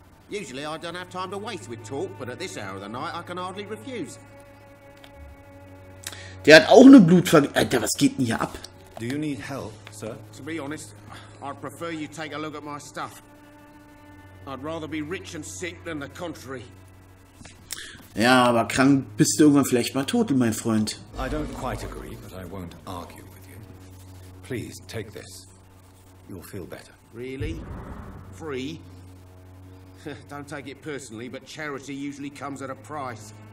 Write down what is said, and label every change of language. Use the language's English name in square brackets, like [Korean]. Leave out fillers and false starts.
[English] Usually I don't have time to waste with talk, but at this hour of the night I can hardly refuse. [German] Der hat auch eine Blutvergiftung. Alter, was geht denn hier ab? [English] Do you need help, sir? To be honest, I'd prefer you take a look at my stuff. I'd rather be rich and sick than the contrary. [German] Ja, aber krank bist du irgendwann vielleicht mal tot, mein Freund. [English] I don't quite agree, but I won't argue with you. Please take this. You'll feel better. Really? Free? Don't take it personally, but charity usually comes at a price.